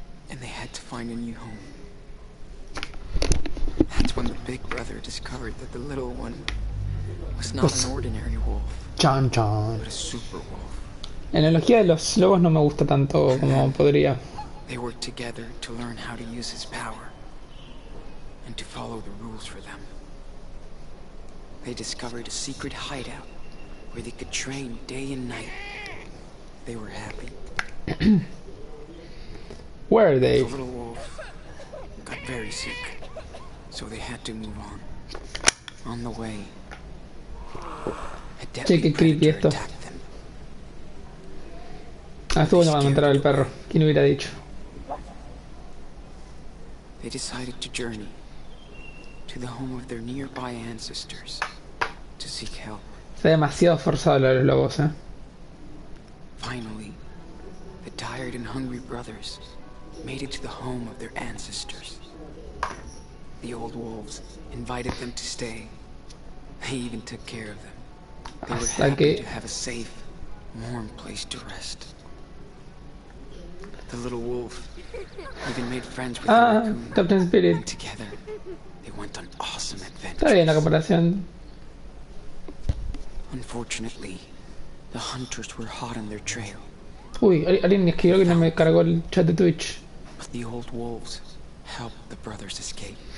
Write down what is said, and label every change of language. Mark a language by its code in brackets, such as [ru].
[en] And they had to find a new home. That's when the big brother discovered that the little one was not an ordinary wolf. Chan chan. [es] La analogía de los lobos no me gusta tanto como podría. [en] They worked together to learn how to use his power and to follow the rules for them. They discovered a secret hideout where they could train day and night. They were happy. Where are they? The little wolf got very sick, so they had to move on. On the way. [es] Che, qué creepy esto. Ah, estuvo bueno para encontrar al perro. ¿Quién hubiera dicho? [en] They decided to journey to the home of their nearby ancestors to seek help. [es] Está demasiado forzado lo de los lobos, ¿eh? [en] Finally, the tired and hungry brothers made it to the home of their ancestors. The old wolves invited them to stay. They even took care of them. They were happy to have a safe, warm place to rest. The little wolf even made friends with the raccoon. Spirit. And together, they went on awesome adventures. Unfortunately, the hunters were hot on their trail. [es] Uy, alguien escribió que no me cargó el chat de Twitch. [en] But the old wolves helped the brothers escape.